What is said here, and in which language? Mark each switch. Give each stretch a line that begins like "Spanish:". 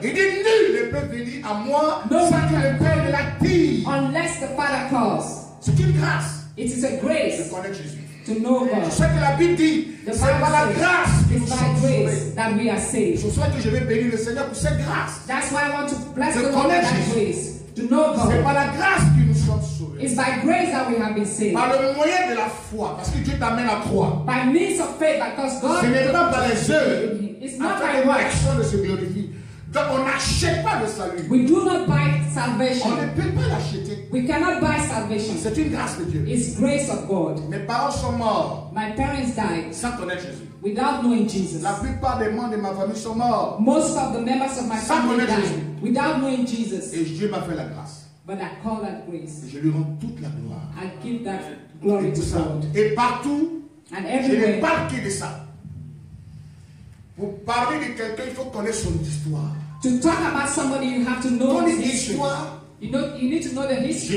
French: Il dit, nul ne peut venir à moi sans que le Père ne l'attire.
English: Unless the Father calls.
French: C'est une grâce.
English: It is a grace.
French: De connaître Jésus.
English: To know God.
French: Je sais que la Bible dit, c'est par la grâce que nous sommes sauvés. Je souhaite que je vais bénir le Seigneur pour cette grâce.
English: That's why I want to bless the Lord with that grace. To know God.
French: C'est par la grâce que nous sommes sauvés.
English: It's by grace that we have been saved.
French: Par le moyen de la foi, parce que Dieu t'amène à croire.
English: By means of faith, because God.
French: Ce n'est pas par les œuvres.
English: It's not by works.
French: Afin que l'action ne se glorifie. Donc on n'achète pas le salut.
English: We do not buy salvation.
French: On ne peut pas l'acheter.
English: We cannot buy salvation.
French: C'est une grâce de Dieu.
English: It's grace of God.
French: Mes parents sont morts.
English: My parents died.
French: Sans connaître Jésus.
English: Without knowing Jesus.
French: La plupart des membres de ma famille sont morts.
English: Most of the members of my
French: sans
English: family
French: connaître
English: died.
French: Jésus.
English: Without knowing Jesus.
French: Et Dieu m'a fait la grâce.
English: But I call that grace.
French: Et je lui rends toute la gloire.
English: I give that glory to God.
French: Et partout.
English: And everywhere.
French: Je n'ai pas que de ça. Pour parler de quelqu'un, il faut connaître son histoire.
English: To talk about somebody, you have to know his history. You know, you need to know the history.